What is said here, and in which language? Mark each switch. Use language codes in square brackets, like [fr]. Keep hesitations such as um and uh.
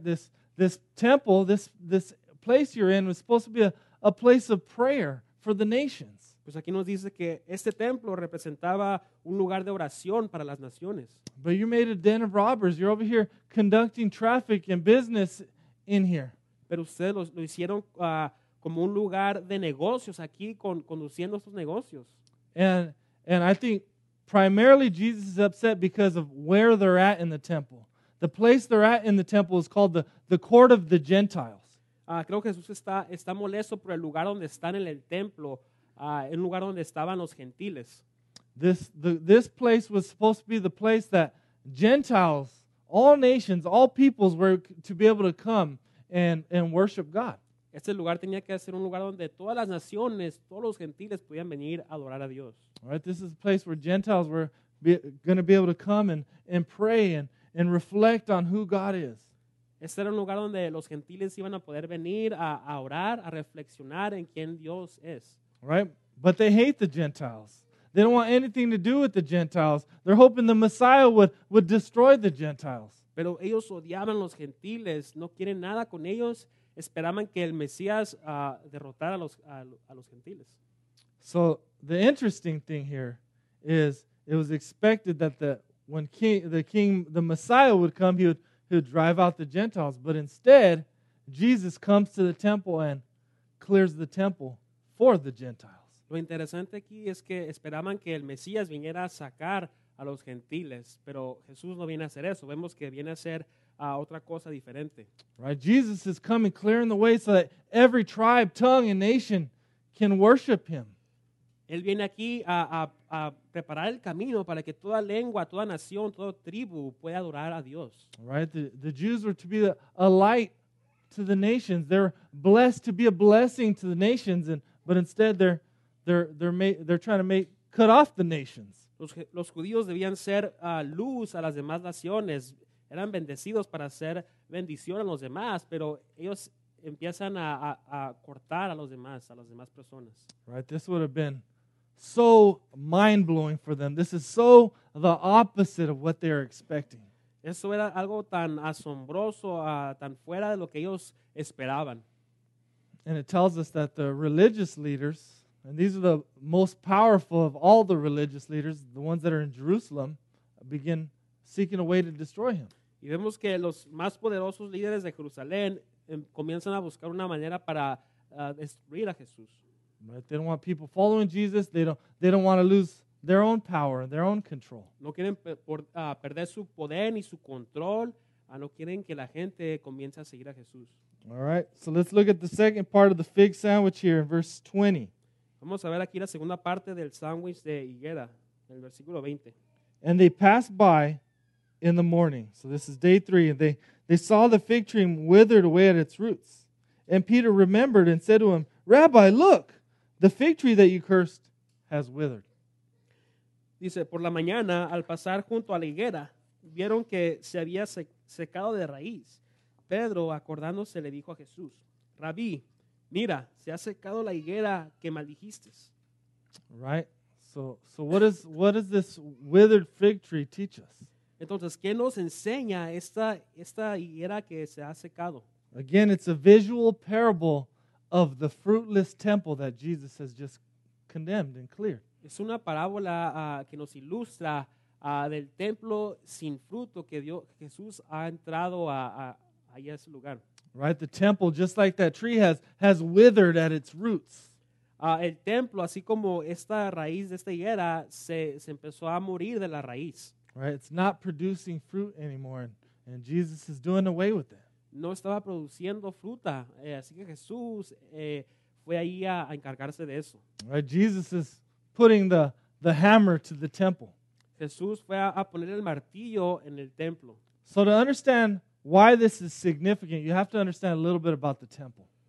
[en] This this temple, this this place you're in was supposed to be a, a place of prayer for the nations. [es] Pues aquí nos dice que este templo representaba un lugar de oración para las naciones. [en] But you made a den of robbers. You're over here conducting traffic and business in here. [es] Pero ustedes lo, lo hicieron uh, como un lugar de negocios aquí con, conduciendo estos negocios. [en] and and i think primarily jesus is upset because of where they're at in the temple the place they're at in the temple is called the the court of the gentiles [es] uh, creo que jesús está está molesto por el lugar donde están en el templo uh, en lugar donde estaban los gentiles [en] this the, this place was supposed to be the place that gentiles all nations all peoples were to be able to come and and worship god [es] Este lugar tenía que ser un lugar donde todas las naciones, todos los gentiles podían venir a adorar a Dios. [en] Right, this is a place where Gentiles were going to be able to come and, and pray and, and reflect on who God is. [es] Este era un lugar donde los gentiles iban a poder venir a, a orar, a reflexionar en quién Dios es. [en] Right, but they hate the Gentiles. They don't want anything to do with the Gentiles. They're hoping the Messiah would, would destroy the Gentiles. [es] Pero ellos odiaban a los gentiles, no quieren nada con ellos esperaban que el Mesías uh, derrotara a los, a, a, los gentiles. [en] So the interesting thing here is it was expected that the when king, the king the Messiah would come he would, he would drive out the Gentiles but instead Jesus comes to the temple and clears the temple for the Gentiles. [es] Lo interesante aquí es que esperaban que el Mesías viniera a sacar a los gentiles, pero Jesús no viene a hacer eso. Vemos que viene a hacer... otra cosa diferente. [en] Right, Jesus is coming, clearing the way so that every tribe, tongue, and nation can worship him. [es] Él viene aquí a, a, a preparar el camino para que toda lengua, toda nación, toda tribu pueda [en] Right, the, the, Jews are to be a, a, light to the nations. They're blessed to be a blessing to the nations, and, but instead they're they're they're made, they're trying to make cut off the nations. [es] Los, los judíos debían ser uh, luz a las demás naciones eran bendecidos para hacer bendición a los demás, pero ellos empiezan a, a, a cortar a los demás, a las demás personas. [en] Right. this would have been so mind blowing for them. This is so the opposite of what they are expecting. And it tells us that the religious leaders, and these are the most powerful of all the religious leaders, the ones that are in Jerusalem, begin seeking a way to destroy him. [es] Y vemos que los más poderosos líderes de Jerusalén comienzan a buscar una manera para uh, destruir a Jesús. [en] They don't want [es] no quieren per, por, uh, perder su poder ni su control. Uh, no quieren que la gente comience a seguir a Jesús. [en] All right. so let's look at the second part of the fig sandwich here in verse 20. [es] Vamos a ver aquí la segunda parte del sándwich de higuera, en el versículo 20. [en] And they passed by... in the morning. So this is day three. And they, they saw the fig tree withered away at its roots. And Peter remembered and said to him, Rabbi, look, the fig tree that you cursed has withered. [es] Dice, por la mañana, al pasar junto a la higuera, vieron que se había secado de raíz. Pedro, acordándose, le dijo a Jesús, Rabí, mira, se ha secado la higuera que maldijistes." [en] Right? So, so what does what does this withered fig tree teach us? [es] Entonces, ¿qué nos enseña esta, esta higuera que se ha secado? [en] Again, it's a visual parable of the fruitless temple that Jesus has just condemned and cleared. [es] Es una parábola uh, que nos ilustra uh, del templo sin fruto que Dios, Jesús ha entrado a, a, a, ese lugar. [en] Right, the temple, just like that tree, has, has withered at its roots. [es] Uh, el templo, así como esta raíz de esta higuera, se, se empezó a morir de la raíz. [en] Right, it's not producing fruit anymore, and, and Jesus is doing away with it. [es] No estaba produciendo fruta, así que Jesús fue allí a, encargarse de eso. [en] Right? Jesus is putting the the hammer to the temple. [es] Jesús fue a, a poner el martillo en el templo. [en] So to understand why this is significant, you have to understand a little bit about the temple.